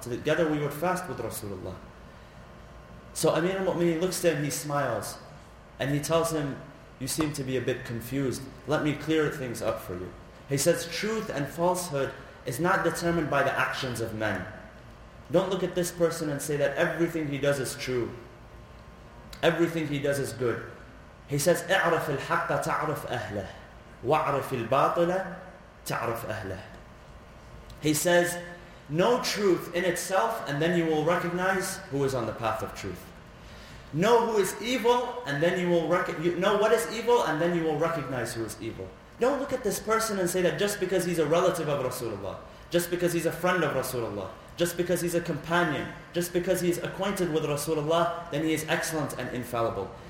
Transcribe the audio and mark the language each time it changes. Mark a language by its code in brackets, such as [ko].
[en] Together we would fast with Rasulullah. So Amir al-Mu'mineen looks to him, he smiles, and he tells him, you seem to be a bit confused. Let me clear things up for you. He says, truth and falsehood is not determined by the actions of men. Don't look at this person and say that everything he does is true. Everything he does is good. He says, [ar] اعرف الحق تعرف أهله وعرف الباطل تعرف أهله. [en] He says, know truth in itself and then you will recognize who is on the path of truth. Know who is evil and then you will know what is evil and then you will recognize who is evil. Don't look at this person and say that just because he's a relative of Rasulullah, just because he's a friend of Rasulullah, just because he's a companion, just because he's acquainted with Rasulullah, then he is excellent and infallible.